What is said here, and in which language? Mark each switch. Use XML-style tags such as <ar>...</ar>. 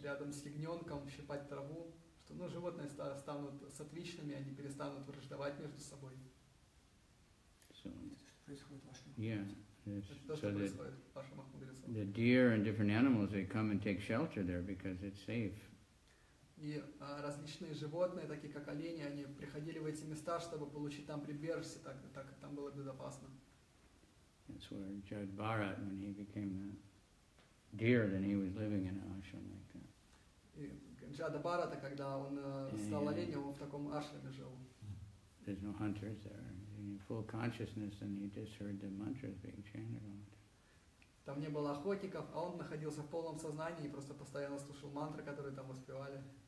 <ru>Рядом с ягненком щипать траву, что ну животные станут сатвичными, они перестанут враждовать между собой.</ru> <en>So the deer and different animals, they come and take shelter there because it's safe.</en> <ru>И различные животные, такие как олени, они приходили в эти места, чтобы получить там прибежище, так там было безопасно.</ru> <en>That's where Judge Bharat, when he became a deer, then he was living in an ashram like that.</en> <ru>И Джада Бхарата, когда он стал оленем, он в таком ашраме жил.</ru> <en>There's no hunters there. Full consciousness, and he just heard the mantras being chanted all the time.</en> <ru>Там не было охотников, а он находился в полном сознании и просто постоянно слушал мантры, которые там воспевали.</ru>